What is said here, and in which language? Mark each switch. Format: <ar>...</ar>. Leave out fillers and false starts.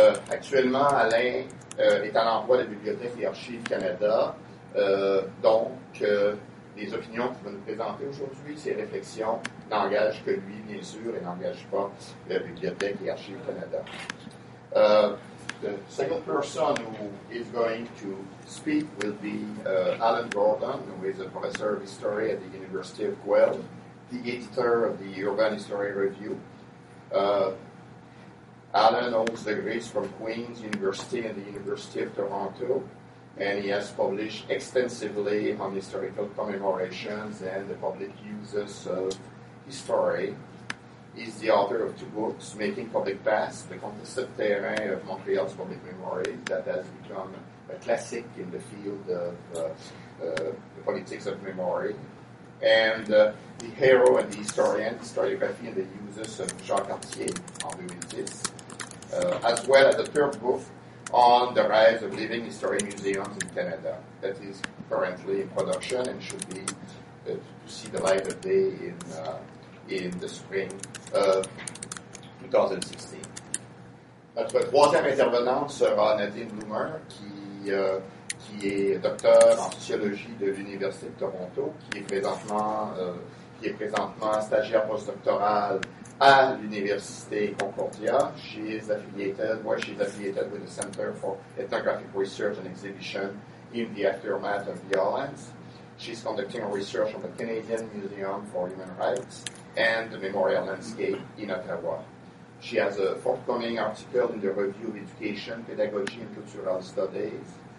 <fr>Actuellement, Alain est à l'emploi de la Bibliothèque et Archives Canada. Les opinions qu'il va nous présenter aujourd'hui, ses réflexions, n'engagent que lui, bien sûr, et n'engagent pas la Bibliothèque et Archives Canada.</fr> <en>The second person who is going to speak will be Alan Gordon, who is a professor of history at the University of Guelph, the editor of the Urban History Review. Alan holds degrees from Queen's University and the University of Toronto, and he has published extensively on historical commemorations and the public uses of history. He's the author of two books, Making Public Past, The Contested Terrain of Montreal's Public Memory, that has become a classic in the field of the politics of memory, and The Hero and the Historian, Historiography and the Uses of Jean Cartier,</en> <fr>en 2010,</fr> <en>as well as a third book on the rise of living history museums in Canada, that is currently in production and should be to see the light of day in the spring of 2016.</en> <fr>Notre troisième intervenante sera Nadine Bloomer, qui est docteur en sociologie de l'Université de Toronto, qui est présentement stagiaire postdoctoral à l'Université Concordia.</fr> <en>She is affiliated with the Center for Ethnographic Research and Exhibition in the Aftermath of Violence. She's conducting research on the Canadian Museum for Human Rights and the memorial landscape in Ottawa. She has a forthcoming article in the Review of Education, Pedagogy, and Cultural Studies.</en>